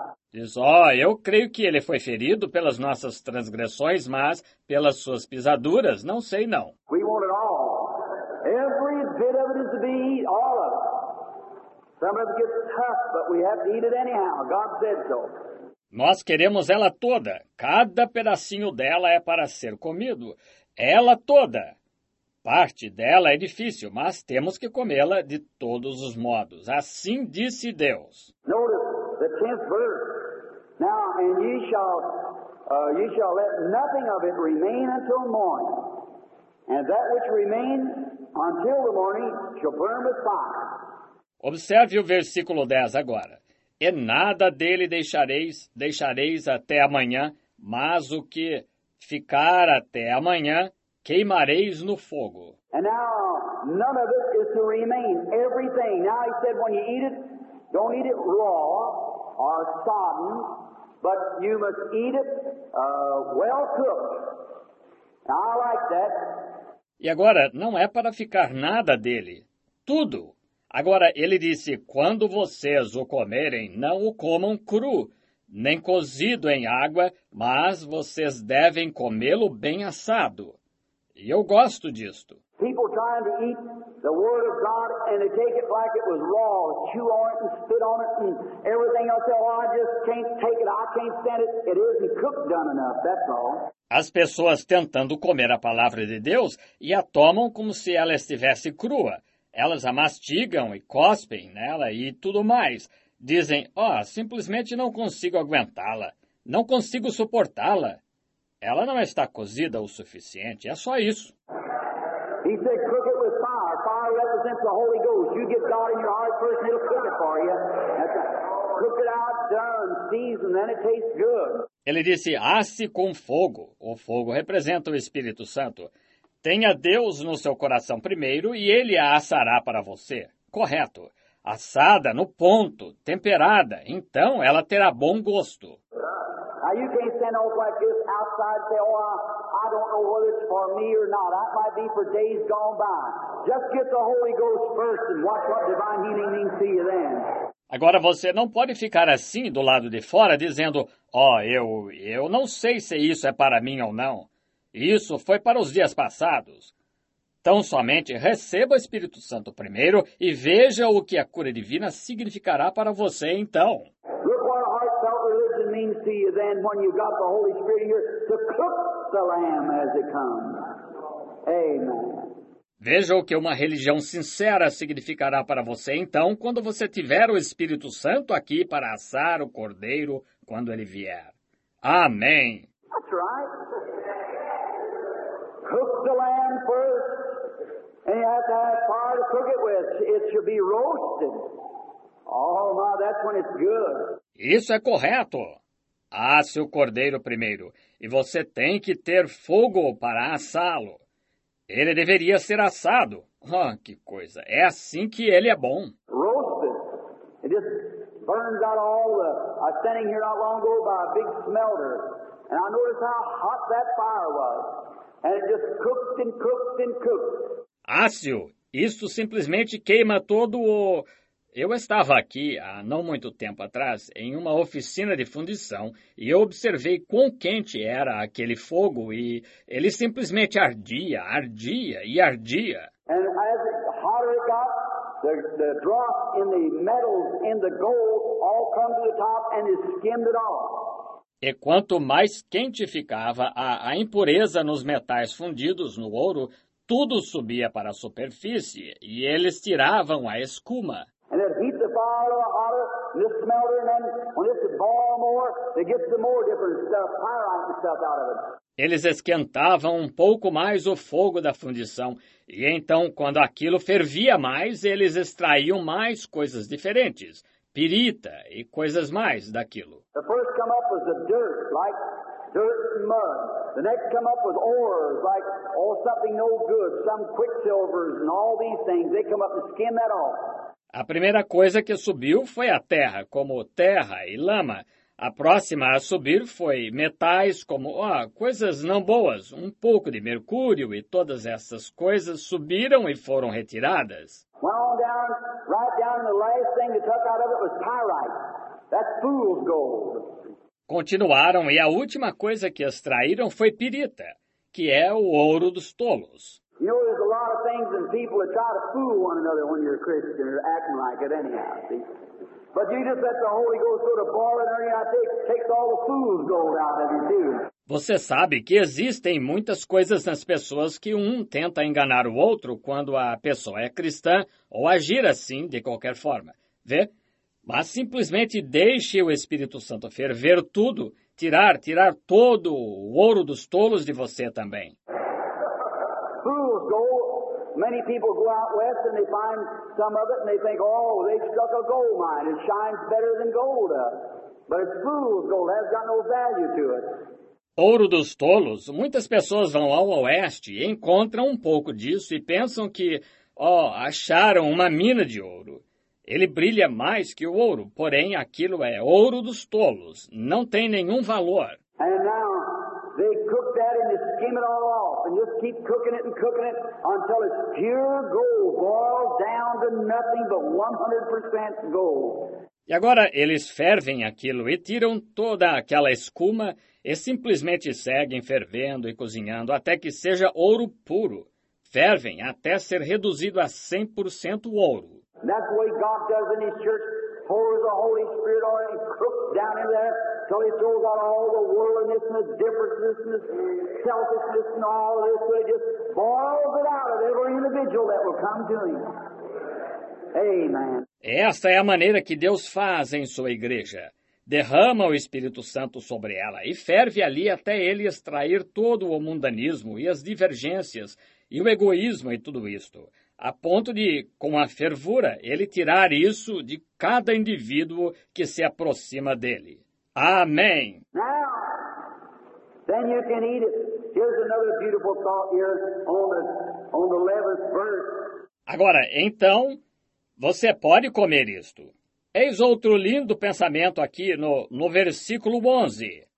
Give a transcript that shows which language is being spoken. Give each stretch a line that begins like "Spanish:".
Portuguese: Diz, eu creio que ele foi ferido pelas nossas transgressões, mas pelas suas pisaduras, não sei não.
English: We want it all. Every bit of it is to be eaten, all of it. Some of it gets tough, but we have to eat it anyhow. God said so.
Portuguese: Nós queremos ela toda. Cada pedacinho dela é para ser comido. Ela toda. Parte dela é difícil, mas temos que comê-la de todos os modos. Assim disse Deus.
English: Notice the 10th verse. Now, and ye shall let nothing of it remain until morning. And that which remain until the morning shall burn with fire.
Portuguese: Observe o versículo 10 agora. E nada dele deixareis até amanhã, mas o que ficar até amanhã, queimareis no fogo.
English: And now, none of it is to remain. Everything. Now he said, when you eat it, don't eat it raw or sodden, but you must eat it well cooked. Now, I like that.
Portuguese: E agora, não é para ficar nada dele. Tudo. Agora, ele disse, quando vocês o comerem, não o comam cru, nem cozido em água, mas vocês devem comê-lo bem assado. E eu gosto disto.
English: People trying to eat the word of God and they take it like it was raw, chew on it and spit on it and everything else. Oh, I just can't take it. I can't stand it. It isn't cooked done enough. That's all.
Portuguese: As pessoas tentando comer a palavra de Deus e a tomam como se ela estivesse crua. Elas a mastigam e cospem nela e tudo mais. Dizem, simplesmente não consigo aguentá-la. Não consigo suportá-la. Ela não está cozida o suficiente, é só isso.
English: He said, cook it with fire. Fire represents the Holy Ghost. You get God in your heart first and it'll cook it for you. That's right. Cook it out, done, season, then it tastes good.
Portuguese: Ele disse, asse com fogo. O fogo representa o Espírito Santo. Tenha Deus no seu coração primeiro e ele a assará para você. Correto. Assada no ponto, temperada, então ela terá bom gosto.
English: Now you can't stand off like this outside and say, oh, I don't know whether it's for me or not. That might be for days gone by. Just get the Holy Ghost first and watch what divine healing means to you then.
Portuguese: Agora você não pode ficar assim do lado de fora dizendo, oh, eu não sei se isso é para mim ou não. Isso foi para os dias passados. Tão somente receba o Espírito Santo primeiro e veja o que a cura divina significará para você então.
English: Look what a heartfelt religion means to you then when you've got the Holy Spirit here to cook the lamb as it comes. Amen.
Portuguese: Veja o que uma religião sincera significará para você, então, quando você tiver o Espírito Santo aqui para assar o cordeiro quando ele vier. Amém!
English: That's right. Cook the lamb first, and you have to have fire to cook it with. It should be roasted. Oh, my, that's when it's good.
Portuguese: Isso é correto! Asse o cordeiro primeiro, e você tem que ter fogo para assá-lo. Ele deveria ser assado. Oh, que coisa. É assim que ele é bom.
English: Roasted. It just burns out all the... I was standing here not long ago by a big smelter. And I noticed how hot that fire was. And it just cooked and cooked and cooked.
Portuguese: Ácido. Isso simplesmente queima todo o... Eu estava aqui, há não muito tempo atrás, em uma oficina de fundição, e eu observei quão quente era aquele fogo, e ele simplesmente ardia, ardia e ardia.
English: And as hotter it got, the dross in the metals in the gold all come to the top and it skimmed it off.
Portuguese: E quanto mais quente ficava, a impureza nos metais fundidos no ouro, tudo subia para a superfície, e eles tiravam a escuma.
English: And it heats the fire a little hotter, and this smelter, and then when it's to boil more, it gets some more different stuff, pyrite and stuff out of it.
Portuguese: Eles esquentavam um pouco mais o fogo da fundição, e então, quando aquilo fervia mais, eles extraíam mais coisas diferentes, pirita e coisas mais daquilo.
English: The first come up was the dirt, like dirt and mud. The next come up was ores, like all something no good, some quicksilvers and all these things. They come up and skim that off.
Portuguese: A primeira coisa que subiu foi a terra, como terra e lama. A próxima a subir foi metais, como coisas não boas, um pouco de mercúrio e todas essas coisas subiram e foram retiradas.
English: Well, down, right down, the last thing they took out of it was pyrite. That's fool's gold.
Portuguese: Continuaram e a última coisa que extraíram foi pirita, que é o ouro dos tolos.
English: You know, there's a lot of things and people that try to fool one another when you're a Christian or acting like it anyhow, see? But you just let the Holy Ghost sort of boil it, and I think takes all the fool's gold out of you, too.
Portuguese: Você sabe que existem muitas coisas nas pessoas que um tenta enganar o outro quando a pessoa é cristã ou agir assim de qualquer forma, vê? Mas simplesmente deixe o Espírito Santo ferver tudo, tirar todo o ouro dos tolos de você também.
English: Fools go. Many people go out west and they find some of it and they think, oh, they struck a gold mine. It shines better than gold. But it's fool's gold. It has got no value to it.
Portuguese: Ouro dos tolos. Muitas pessoas vão ao oeste e encontram um pouco disso e pensam que, acharam uma mina de ouro. Ele brilha mais que o ouro, porém aquilo é ouro dos tolos. Não tem nenhum valor.
English: And now they cook that and they skim it all off. And just keep cooking it and cooking it until it's pure gold, boiled down to nothing but 100% gold.
Portuguese: E agora eles fervem aquilo e tiram toda aquela escuma e simplesmente seguem fervendo e cozinhando até que seja ouro puro. Fervem até ser reduzido a 100% ouro.
English: That's the way God does in His church. Pours the Holy Spirit on it and cooks down in there. So he throws out all the worldliness and the differences and the selfishness and all of this. So he just boils it out of every individual that will come to him. Amen.
Portuguese: Esta é a maneira que Deus faz em sua igreja. Derrama o Espírito Santo sobre ela e ferve ali até ele extrair todo o mundanismo e as divergências e o egoísmo e tudo isto. A ponto de, com a fervura, ele tirar isso de cada indivíduo que se aproxima dele. Amém.
English: Now, then you can eat it. Here's another beautiful thought here on the 11th verse.
Portuguese: Agora, então, você pode comer isto. Eis outro lindo pensamento aqui no versículo 11.